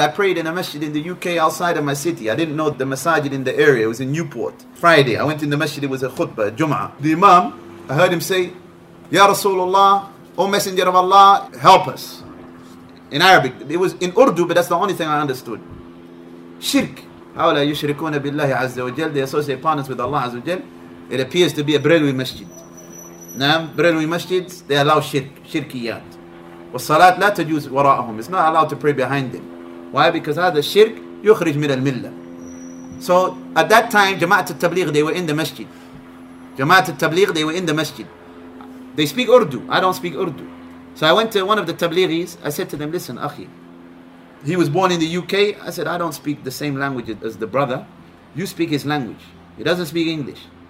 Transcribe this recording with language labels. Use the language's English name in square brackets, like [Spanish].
[English] I prayed in a masjid in the UK outside of my city. I didn't know the masajid in the area. It was in Newport. Friday, I went in the masjid. It was a khutbah, a jum'ah. The imam, I heard him say, [Arabic] Ya Rasulullah, [English] O Messenger of Allah, help us. in Arabic. It was in Urdu, but that's the only thing I understood. Shirk. [Arabic] هَوَلَا يُشْرِكُونَ بِاللَّهِ عَزَّ وَجَلْ [English] They associate partners with Allah عز وجل. It appears to be a Bredwi masjid. Naam, Bredwi masjids, they allow shirk, shirkiyat. [Arabic] وَالصَّلَاةِ لَا تَجُوزُ وَرَاءَهُمْ [English] It's not allowed to pray behind them. Why? Because [Arabic] هذا الشرك يخرج من الملة. [English] So at that time, Jama'at al-Tabligh, they were in the masjid. Jama'at al-Tabligh, they were in the masjid. They speak Urdu. I don't speak Urdu. So I went to one of the Tablighis. I said to them, listen, Akhi, he was born in the UK. I said, I don't speak the same language as the brother. You speak his language. He doesn't speak English.